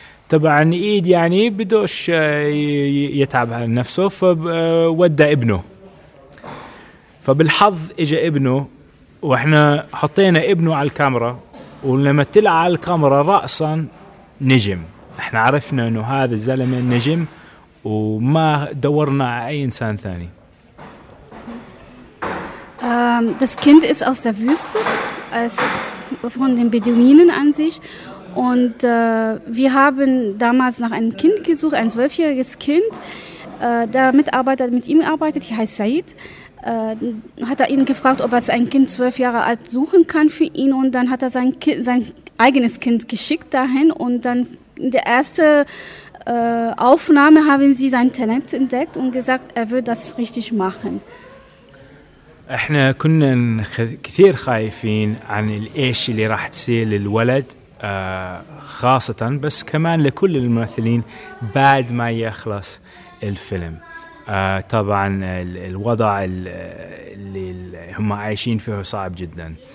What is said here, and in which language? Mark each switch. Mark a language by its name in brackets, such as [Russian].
[Arabic] طبعا ايد يعني بدوش يتعب على نفسه فودى ابنه، فبالحظ اجى ابنه واحنا حطينا ابنه على الكاميرا، ولما طلع على الكاميرا راسا نجم، احنا عرفنا انه هذا الزلمه نجم وما دورنا على اي انسان ثاني. [German] Das Kind ist aus der Wüste, es von den Beduinen an sich. Und wir haben damals nach einem Kind gesucht, ein 12-jähriges Kind. Der Mitarbeiter, der mit ihm arbeitet, die heißt Said, hat er ihn gefragt, ob er ein Kind 12 Jahre alt suchen kann für ihn. Und dann hat er sein eigenes Kind geschickt dahin. Und dann in der ersten Aufnahme haben sie sein Talent entdeckt und gesagt, er würde das richtig machen. [Arabic] احنا كنا كثير خايفين عن الإيش اللي راح تصير للولد خاصة، بس كمان لكل الممثلين بعد ما يخلص الفيلم. طبعا الوضع اللي هم عايشين فيه صعب جدا.